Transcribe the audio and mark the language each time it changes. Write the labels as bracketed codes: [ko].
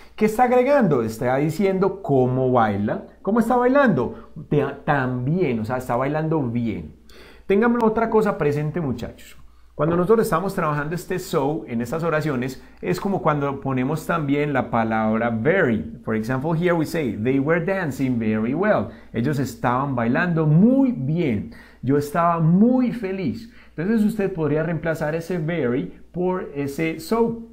[es] ¿Qué está agregando? Está diciendo cómo baila. ¿Cómo está bailando? También, o sea, está bailando bien. Tengan otra cosa presente, muchachos. Cuando nosotros estamos trabajando este so en estas oraciones, es como cuando ponemos también la palabra very. [en] For example, here we say, they were dancing very well. [es] Ellos estaban bailando muy bien. Yo estaba muy feliz. Entonces, usted podría reemplazar ese very por ese so.